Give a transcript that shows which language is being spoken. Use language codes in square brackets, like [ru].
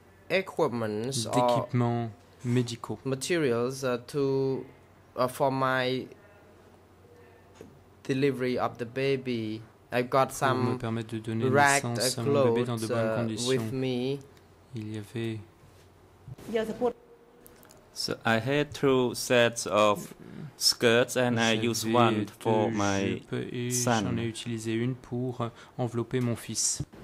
[en] equipments [fr] d'équipements médicaux [en] materials for my delivery of the baby. I got some [fr] pour me permettre de donner naissance à mon bébé dans de bonnes conditions. [en] With me. [fr] Il y avait [en] so I had two sets of skirts and [fr] j'avais [en] I used one for my son. [fr] J'en ai utilisé une pour envelopper mon fils.